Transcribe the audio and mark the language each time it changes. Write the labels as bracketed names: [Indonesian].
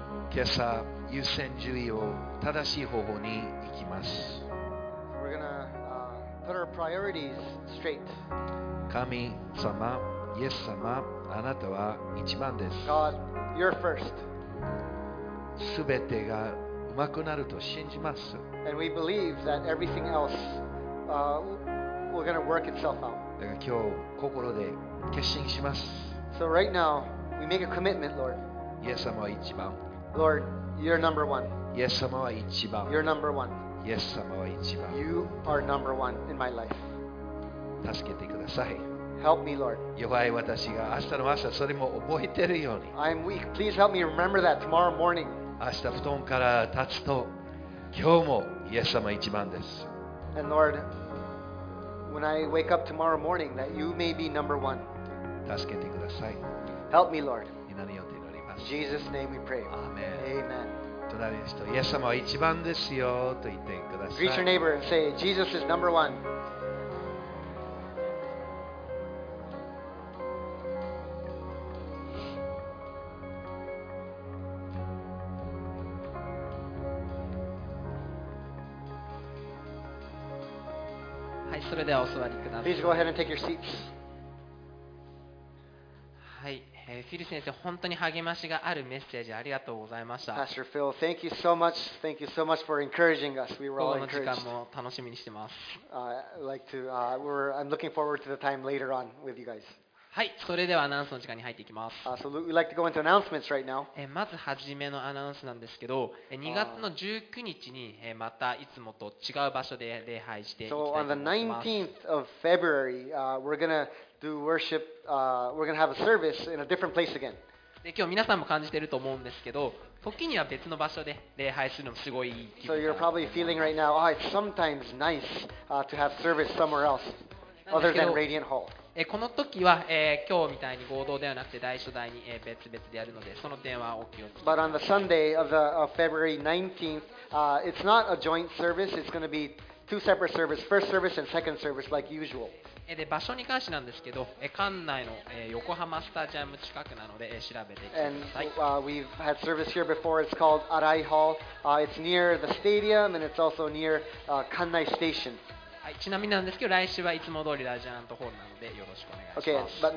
[Japanese] 今朝優先順位を正しい方法に行きます。 [English] We're gonna, put our priorities straight. [Japanese] 神様、イエス様、あなたは一番です。 [English] God, you're first. [Japanese] 全てがうまくなると信じます。 [English] And we believe that everything else, we're gonna work itself out. [Japanese] だから今日心で決心します。 [English] So right now, we make a commitment, Lord. [Japanese] イエス様は一番。 [English] Lord, you're number one. [Japanese] イエス様は一番。 [English] You're number one. [Japanese] イエス様は一番。 [English] You are number one in my life. [Japanese] 助けてください。 [English] Help me, Lord. [Japanese] 弱い私が明日の朝それも覚えてるように。 [English] I'm weak. Please help me remember that tomorrow morning. [Japanese] 明日布団から立つと、今日もイエス様一番です。 [English] And Lord, when I wake up tomorrow morning, that you may be number one. [Japanese] 助けてください。 [English] Help me, Lord. Jesus' name we pray. Amen. Amen. [Japanese] 隣の人、イエス様は一番ですよと言ってください。 [English] Greet your neighbor and say, Jesus is number one. [Japanese] はい、それではお座りください。 [English] Please go ahead and take your seats. [Japanese] フィル先生、本当に励ましがあるメッセージありがとうございました。 [English] Pastor Phil, thank you so much. Thank you so much for encouraging us. We were all encouraged. [Japanese] この時間も楽しみにしてます。 [English] I'm looking forward to the time later on with you guys. [Japanese] はい、それではアナウンスの時間に入っていきます。 [English] So we'd like to go into announcements right now. [Japanese] まず初めのアナウンスなんですけど、2月の19日にまたいつもと違う場所で礼拝していきたいと思います。 [English] So on the 19th of February, we're gonna do worship. We're gonna have a service in a different place again. [Japanese] で今日皆さんも感じていると思うんですけど、時には別の場所で礼拝するのもすごい気分 [English] だ。So you're probably feeling right now, it's sometimes nice, to have service somewhere else, other than Radiant Hall. [Japanese] この時は、今日みたいに合同ではなくて大所帯に、別々でやるので、その点はお気をつけください。 [English] But on the Sunday of February 19th, it's not a joint service. It's gonna be two separate services, first service and second service like usual. [Japanese] で場所に関してなんですけど、館内の横浜スタジアム近くなので調べてください。 [English] And we've had service here before. It's called Arai Hall. It's near the stadium and it's also near Kannai Station. [Japanese] はい、ちなみになんですけど、来週はいつも通りラジアントホールなのでよろしくお願いします。